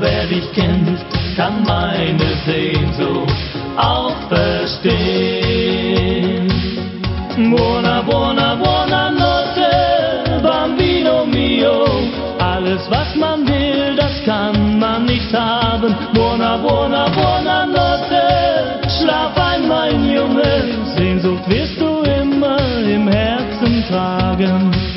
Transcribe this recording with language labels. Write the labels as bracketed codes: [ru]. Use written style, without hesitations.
[de] Dich kennt, kann meine Sehnsucht auch verstehen. [it] Buona, buona, buona notte, bambino mio. [de] Alles, was man will, das kann man nicht haben. [it] Buona, buona, buona notte, [de] schlaf ein, mein Junge. Sehnsucht wirst du immer im Herzen tragen.